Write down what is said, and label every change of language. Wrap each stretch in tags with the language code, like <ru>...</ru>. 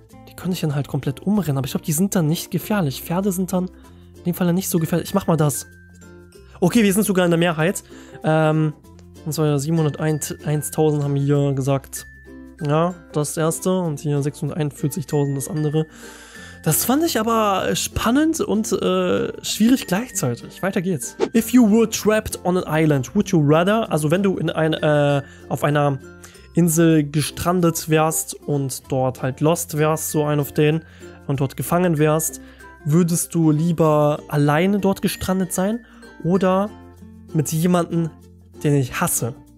<de>Die können dich dann halt komplett umrennen, aber ich glaube, die sind dann nicht gefährlich. Pferde sind dann in dem Fall nicht so gefährlich. Ich mach mal das. Okay, wir sind sogar in der Mehrheit. Und zwar 701.000 haben hier gesagt, ja, das erste. Und hier 641.000 das andere. Das fand ich aber spannend und schwierig gleichzeitig. Weiter geht's.</de> <en>If you were trapped on an island, would you rather?</en> <de>Also wenn du auf einer Insel gestrandet wärst und dort halt lost wärst, so ein auf den, und dort gefangen wärst, würdest du lieber alleine dort gestrandet sein oder mit jemandem, den ich hasse?</de>